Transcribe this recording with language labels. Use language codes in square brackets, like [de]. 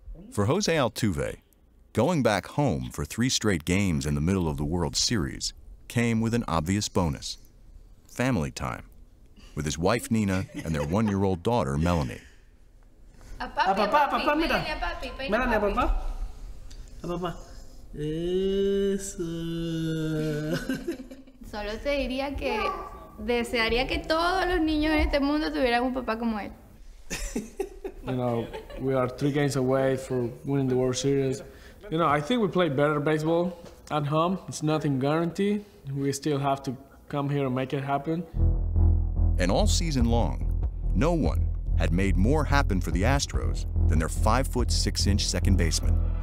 [en] For Jose Altuve, going back home for three straight games in the middle of the World Series came with an obvious bonus. Family time, with his wife Nina and their one-year-old daughter Melanie. [es] Solo te diría que desearía que todos los niños en este mundo tuvieran un papá como él. [en] You know, we are three games away for winning the World Series. You know, I think we play better baseball at home. It's nothing guaranteed. We still have to come here and make it happen. And all season long, no one had made more happen for the Astros than their 5'6" second baseman.